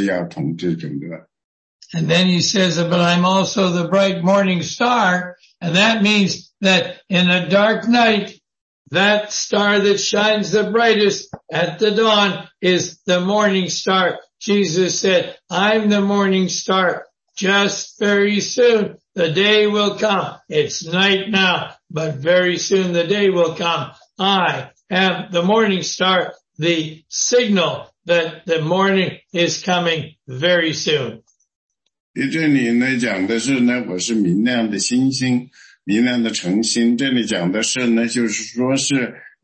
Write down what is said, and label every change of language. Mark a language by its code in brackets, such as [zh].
[zh] 其实他说呢，我不光是大卫的根，我也是大卫的后裔，我是明亮的晨星，是我让大卫王兴起的，我是大卫王的后面的就是子孙。然后呢，我最终呢，我是要统治整个。And [en] then he says, "But I'm also the bright morning star," and that means that in a dark night, that star that shines the brightest at the dawn is the morning star. Jesus said, I'm the morning star. Just very soon, the day will come. It's night now, but very soon the day will come. I am the morning star, the signal that the morning is coming very soon. [zh] 这里呢讲的是呢，我是明亮的星星，明亮的晨星。这里讲的是呢，就是说是。